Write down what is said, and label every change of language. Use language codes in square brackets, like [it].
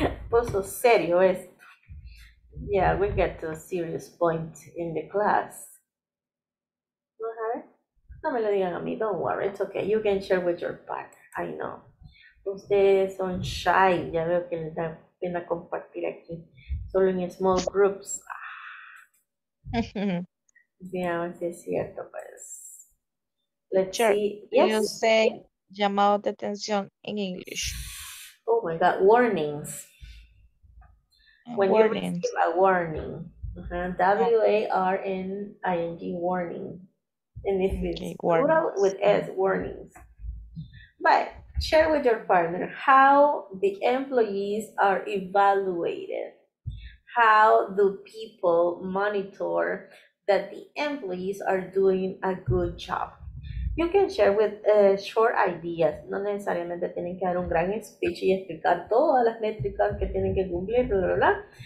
[es] Puso serio esto. [en] Yeah, we get to a serious point in the class. [es] No me lo digan a mí, [en] don't worry, it's okay. You can share with your partner. I know. [es] Ustedes son shy. Ya veo que les da pena compartir aquí. Solo en [en] small groups. [es] Veamos si es cierto, pues. Let's [en] sure. See. Yes. You say [es] llamado de atención [en] in English. Oh my God. Warnings. When warnings. You receive a warning. Uh-huh. W-A-R-N-I-N-G. Warning. And if it's okay, plural with S. Warnings. But share with your partner how the employees are evaluated. How do people monitor that the employees are doing a good job? You can share with short ideas. [es] No necesariamente tienen que dar un gran speech y explicar todas las métricas que tienen que cumplir, bla, bla, bla.